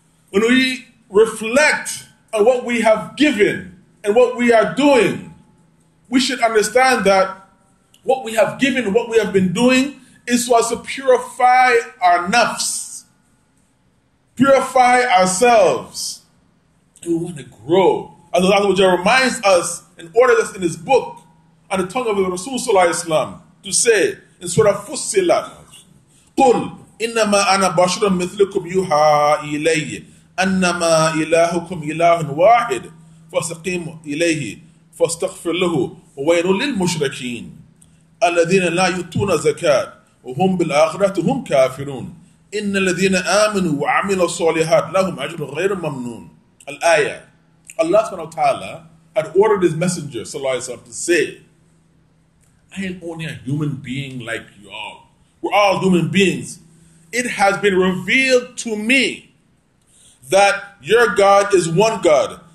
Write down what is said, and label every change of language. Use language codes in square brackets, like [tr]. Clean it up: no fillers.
[en] When we reflect on what we have given and what we are doing, we should understand that what we have given, what we have been doing, is so as to purify our nafs, purify ourselves. We want to grow. As Allah reminds us and orders us in His book on the tongue of the Rasul to say in Surah Fussilat, [ar] قُلْ إِنَّمَا أَنَا بَشْرٌ مِثْلُكُمْ يُوحَىٰ إِلَيِّ أنما إلهكم إله واحد فاستقيم إليه فاستغفر له وويل للمشركين الذين لا يؤتون زكاة وهم بالآخرة هم كافرون إن الذين آمنوا وعملوا الصالحات لهم أجر غير ممنون الآية. [en] Allah [ar] سبحانه وتعالى [en] had ordered His Messenger [ar] صلى الله عليه وسلم [en] to say, I am only a human being like you all. We're all human beings. It has been revealed to me that your God is one God.